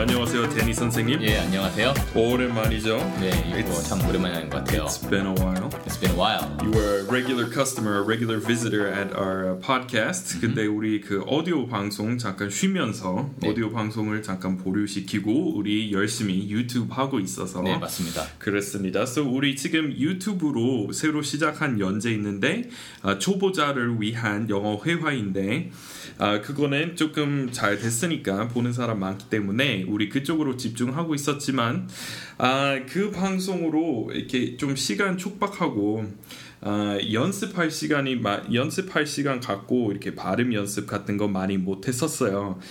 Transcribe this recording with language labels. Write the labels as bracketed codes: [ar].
[ko] 안녕하세요 데니 선생님. 예, 안녕하세요. 오랜만이죠? 네, 이거 참 오랜만인 것 같아요. [en] It's been a while. It's been a while. You are a regular customer, a regular visitor at our podcast. [ko] 근데 우리 그 오디오 방송 잠깐 쉬면서 네. 오디오 방송을 잠깐 보류시키고 우리 열심히 유튜브 하고 있어서 네, 맞습니다. 그렇습니다. So 우리 지금 유튜브로 새로 시작한 연재 있는데 초보자를 위한 영어 회화 인데 그거는 조금 잘 됐으니까 보는 사람 많기 때문에 우리 그쪽으로 집중하고 있었지만 그 방송으로 이렇게 좀 시간 촉박하고 연습할 시간이 연습할 시간 갖고 이렇게 발음 연습 같은 거 많이 못 했었어요.